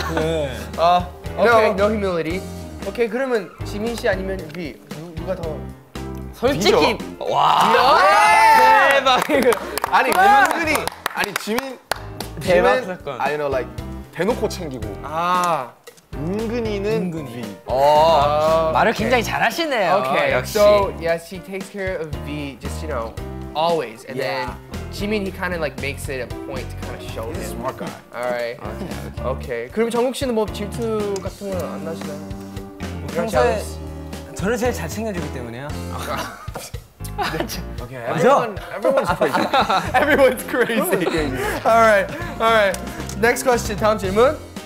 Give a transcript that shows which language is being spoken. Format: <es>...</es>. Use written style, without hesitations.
<en>He's no,</en> <ko>네.</ko> <en>Okay, no humility.</en> <ko>Okay, 그러면 지민 씨 아니면 V. 누가 더? 솔직히. V죠? 와. 대박. 아니, 은근히. 아니, 지민. 대박.</ko> <en>I know, like,</en> <ko>대놓고 챙기고. 아. 은근히는 V. 오, 말을 굉장히 잘하시네요.</ko> <en>Okay.</en> <ko>역시.</ko> <en>So yes, he takes care of V, just you know, always. And then Jimin, he kind of like makes it a point to kind of show him. He's a smart guy. All right. Okay.</en> <ko>그럼 정국 씨는 뭐 질투 같은 건 안 나시나요? 평소에 저를 제일 잘 챙겨주기 때문에요.</ko> <en>Okay. Everyone's crazy. Everyone's crazy. All right. All right. Next question,</en> <ko>다음 질문.</ko>